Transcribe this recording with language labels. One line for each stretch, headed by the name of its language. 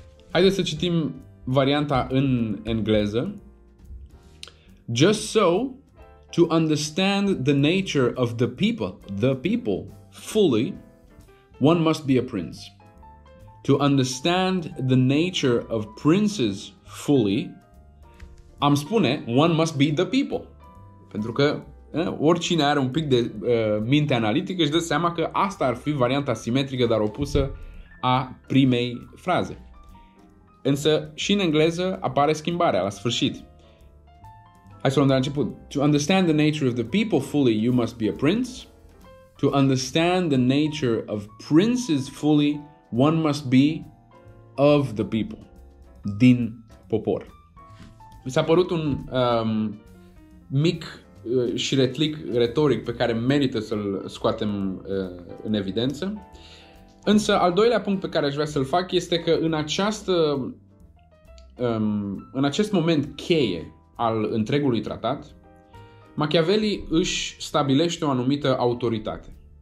Romanian: Haideți să citim varianta în engleză.
English: Just so, to understand the nature of the people, fully, one must be a prince. To understand the nature of princes fully,
Romanian: am spune,
English: one must be the people.
Romanian: Pentru că oricine are un pic de minte analitică își dă seama că asta ar fi varianta simetrică, dar opusă a primei fraze. Însă și în engleză apare schimbarea la sfârșit. Hai să luăm de la început.
English: To understand the nature of the people fully, you must be a prince. To understand the nature of princes fully, one must be of the people.
Romanian: Din popor. Mi s-a părut un mic șiretlic retoric pe care merită să-l scoatem în evidență. Însă, al doilea punct pe care aș vrea să-l fac este că în acest moment cheie al întregului tratat, Machiavelli își stabilește o anumită autoritate.